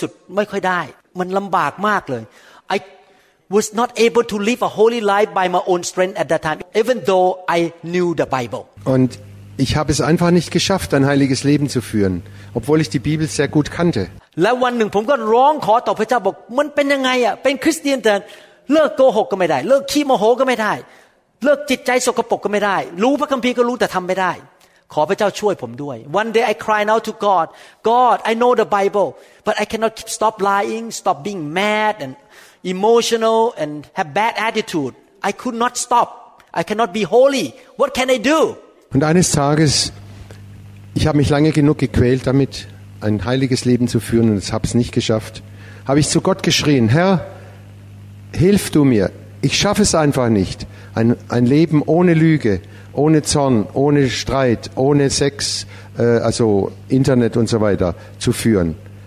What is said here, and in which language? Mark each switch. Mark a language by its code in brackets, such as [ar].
[en] I was not able to live a holy life by my own strength at that time, even though I knew the Bible. [de] Und ich habe es einfach nicht geschafft, ein heiliges Leben zu führen, obwohl ich die Bibel sehr gut kannte. [th] แล้ววันหนึ่งผมก็ร้องขอต่อพระเจ้าบอกมันเป็นยังไงอ่ะเป็นคริสเตียนแต่เลิกโกหกก็ไม่ได้เลิกขี้โมโหก็ไม่ได้เลิกจิตใจสกปรกก็ไม่ได้รู้พระคัมภีร์ก็รู้แต่ทำไม่ได้ขอพระเจ้าช่วยผมด้วย [en] One day I cried out to God, God, I know the Bible, but I cannot stop lying, stop being mad and emotional and have bad attitude. I could not stop. I cannot be holy. What can I do? [de] Und eines Tages, ich habe mich lange genug gequält damit, ein heiliges Leben zu führen und ich habe es nicht geschafft, habe ich zu Gott geschrien, Herr, hilf du mir, ich schaffe es einfach nicht, ein Leben ohne Lüge, ohne Zorn, ohne Streit, ohne Sex, also Internet und so weiter, zu führen.